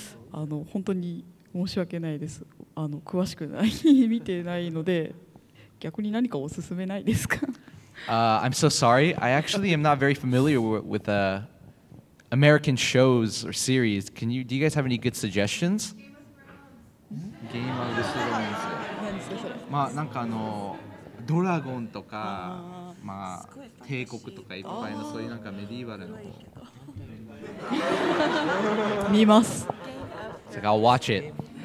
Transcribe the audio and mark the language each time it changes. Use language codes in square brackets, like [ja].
[ja] あの本当に申し訳ないです。あの詳しくない見てないので。逆に何かおすすめないですか？ [en] I'm so sorry. I actually am not very familiar with American shows or series. Can you, do you guys have any good suggestions? Game of Thrones. Game of Thrones. [ja] まあなんかあのドラゴンとか、まあ帝国とかいっぱいのそういうなんかメディバルの。見ます。 [en] So I'll watch it.